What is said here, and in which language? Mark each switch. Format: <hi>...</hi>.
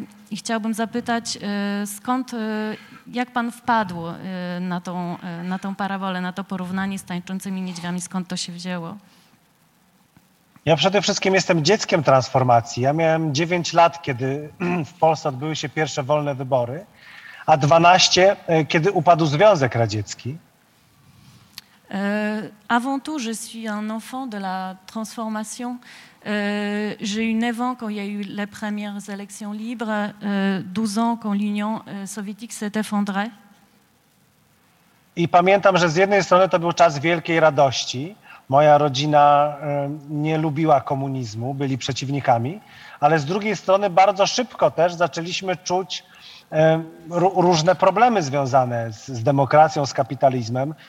<pl>I chciałbym zapytać, skąd, jak pan wpadł na tą parabolę, na to porównanie z tańczącymi niedźwiami, skąd to się wzięło? Ja przede wszystkim jestem dzieckiem transformacji. Ja miałem 9 lat, kiedy w Polsce odbyły się pierwsze wolne wybory, a 12, kiedy upadł Związek Radziecki.</pl> <fr>Avant tout, je suis un enfant de la transformation. J'ai eu 9 ans quand il y a eu les premières élections libres, 12 ans quand l'Union soviétique s'est effondrée.</fr> <pl>I pamiętam, że z jednej strony to był czas wielkiej radości. Moja rodzina nie lubiła komunizmu, byli przeciwnikami, ale z drugiej strony bardzo szybko też zaczęliśmy czuć różne problemy związane z demokracją, z kapitalizmem.</pl>